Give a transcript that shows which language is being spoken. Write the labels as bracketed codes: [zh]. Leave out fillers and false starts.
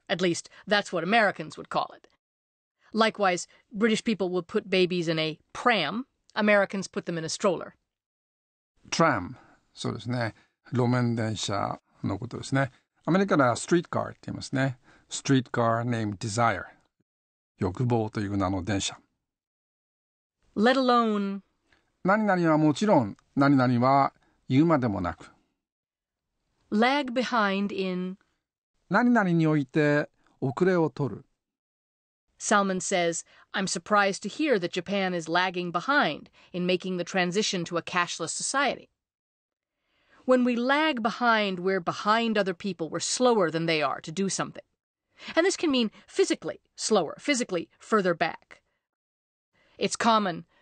[en] At least, that's what Americans would call it. Likewise, British people would put babies in a pram. Americans put them in a stroller. [ja] Tram. そうですね。路面電車のことですね。アメリカでは streetcar って言いますね。 [en] Streetcar named Desire. [ja] 欲望という名の電車。 [en] Let alone... [ja] 何々はもちろん、何々は言うまでもなく。 [en] Lag behind in [ja] 何々において遅れを取る。 [en] Salmon says, I'm surprised to hear that Japan is lagging behind in making the transition to a cashless society. When we lag behind, we're behind other people. We're slower than they are to do something. And this can mean physically slower, physically further back. It's common...